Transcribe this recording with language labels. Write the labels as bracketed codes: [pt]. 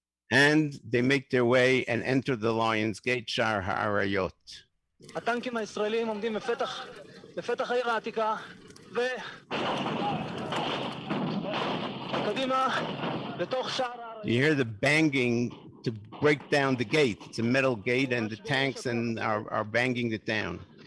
[en] land, they make their way and enter the Lion's Gate, Shar Ha'arayot. [he] הטנקים הישראלים עומדים בפתח העיר העתיקה ו... קדימה, לתוך שער העריות. [en] You hear the banging to break down the gate. It's a metal gate and the tanks and are banging it down.